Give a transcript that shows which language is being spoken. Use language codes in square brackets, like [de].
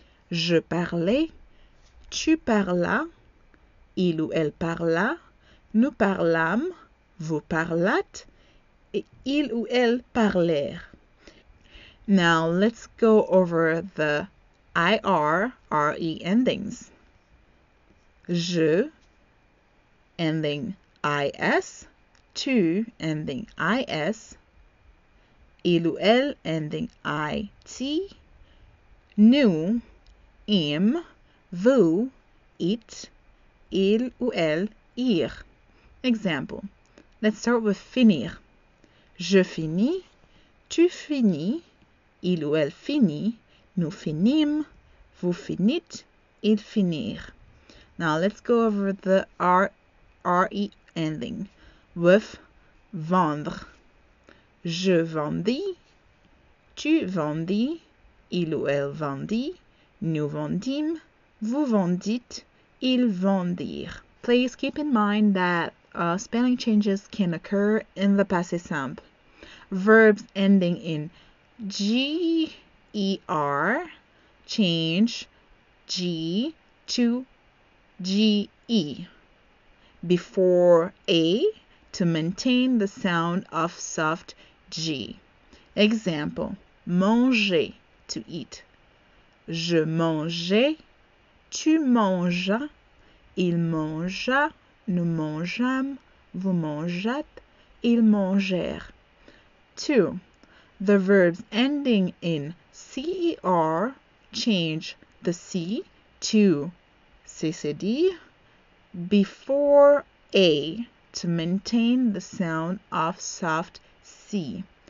[fr] Je parlais, tu parlas, il ou elle parla, nous parlâmes, vous parlâtes, et il ou elle parlèrent. [en] Now let's go over the IR, RE endings. Je, ending IS, tu, ending IS, il ou elle, ending IT, nous, im, vous, it, il ou elle, ir. Example. Let's start with finir. [fr] Je finis, tu finis, il ou elle finit, nous finîmes, vous finîtes, ils finirent. [en] Now let's go over the RE ending with vendre. [fr] Je vendis, tu vendis, il ou elle vendit, nous vendîmes, vous vendîtes, ils vendirent. [en] Please keep in mind that spelling changes can occur in the passé simple. Verbs ending in GER change G to GE before A to maintain the sound of soft G. Example, manger, to eat. Je mangeais, tu manges, il mangea, nous mangeâmes, vous mangeâtes, ils mangèrent. 2. The verbs ending in CER change the C to CCD before A to maintain the sound of soft C.